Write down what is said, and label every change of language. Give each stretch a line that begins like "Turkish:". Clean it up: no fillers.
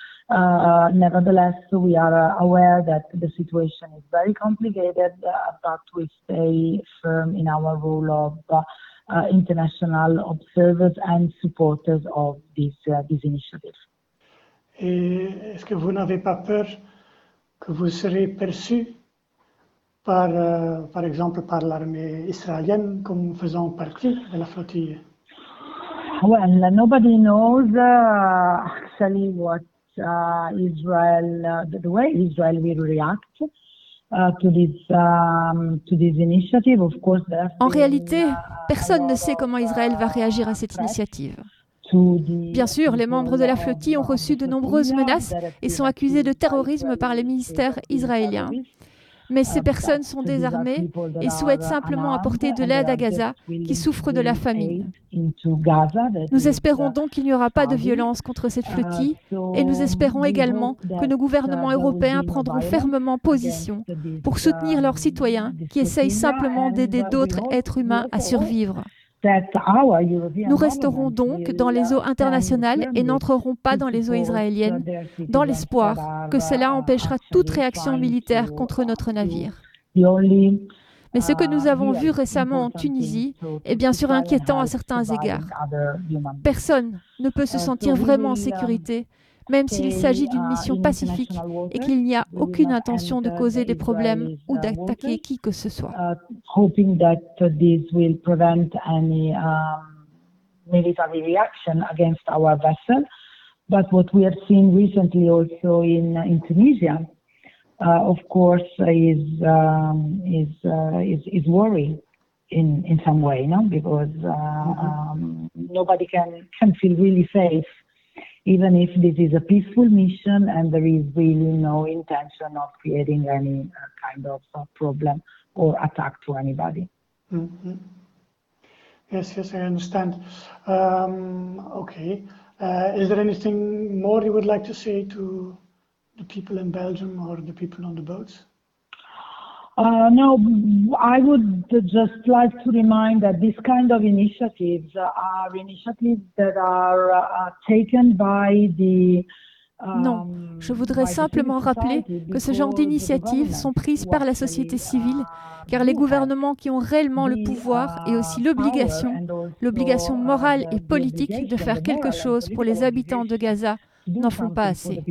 English: Nevertheless, we are aware that the situation is very complicated, but we stay firm in our role of international observers and supporters of this initiative.
French: Et est-ce que vous n'avez pas peur que vous serez perçu par exemple par l'armée israélienne comme faisant partie de la flottille?
English: Well, nobody knows actually what Israel, the way Israel will react to this initiative. Of course,
French: en réalité, personne ne sait comment Israël va réagir à cette initiative. Bien sûr, les membres de la flottille ont reçu de nombreuses menaces et sont accusés de terrorisme par les ministères israéliens. Mais ces personnes sont désarmées et souhaitent simplement apporter de l'aide à Gaza, qui souffre de la famine. Nous espérons donc qu'il n'y aura pas de violence contre cette flottille et nous espérons également que nos gouvernements européens prendront fermement position pour soutenir leurs citoyens qui essayent simplement d'aider d'autres êtres humains à survivre. Nous resterons donc dans les eaux internationales et n'entrerons pas dans les eaux israéliennes, dans l'espoir que cela empêchera toute réaction militaire contre notre navire. Mais ce que nous avons vu récemment en Tunisie est bien sûr inquiétant à certains égards. Personne ne peut se sentir vraiment en sécurité, même s'il s'agit d'une mission pacifique et qu'il n'y a aucune intention de causer des problèmes ou d'attaquer qui que ce soit.
English: Hoping that this will prevent any military reaction against our vessel, but what we have seen recently also in Tunisia, of course, is worry in some way, no? Because nobody can feel really safe. Even if this is a peaceful mission and there is really no intention of creating any kind of problem or attack to anybody. Mm-hmm. Yes, I understand. Okay. Is there anything more you would like to say to the people in Belgium or the people on the boats? No, I would just like to remind that these kind of initiatives are initiatives that are taken by the.
French: Non, je voudrais simplement rappeler que ce genre d'initiatives sont prises par la société civile, car les gouvernements qui ont réellement le pouvoir et aussi l'obligation morale et politique de faire quelque chose pour les habitants de Gaza n'en font pas assez.